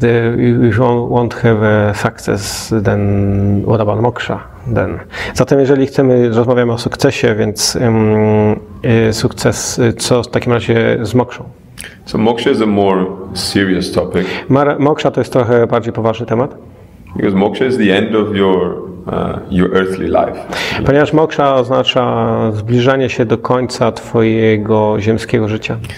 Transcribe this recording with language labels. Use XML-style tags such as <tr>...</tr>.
<en>If you won't have a success, then what about moksha? Then.</en> <pl>Zatem, jeżeli chcemy, rozmawiamy o sukcesie, więc sukces, co w takim razie z mokszą?</pl> <en>So moksha is a more serious topic.</en> <pl>Moksha to jest trochę bardziej poważny temat.</pl> <en>Because moksha is the end of your earthly life.</en> <pl>Ponieważ moksha oznacza zbliżanie się do końca twojego ziemskiego życia.</pl>